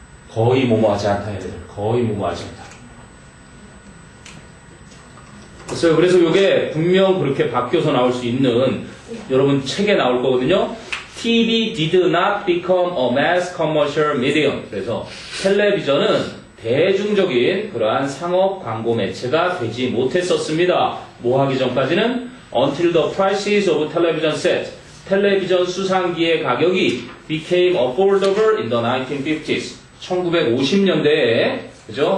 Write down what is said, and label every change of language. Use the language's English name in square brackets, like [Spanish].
[Korean] 거의 모모하지 않다 얘들. 거의 모모하지 않다. 됐어요. 그래서 이게 분명 그렇게 바뀌어서 나올 수 있는 여러분 책에 나올 거거든요. [English] TV did not become a mass commercial medium. [Korean] 그래서 텔레비전은 대중적인 그러한 상업 광고 매체가 되지 못했었습니다. 뭐 하기 전까지는 [English] until the prices of television set [Korean] 텔레비전 수상기의 가격이 [English] became affordable in the 1950s [Korean] 1950년대에 그죠?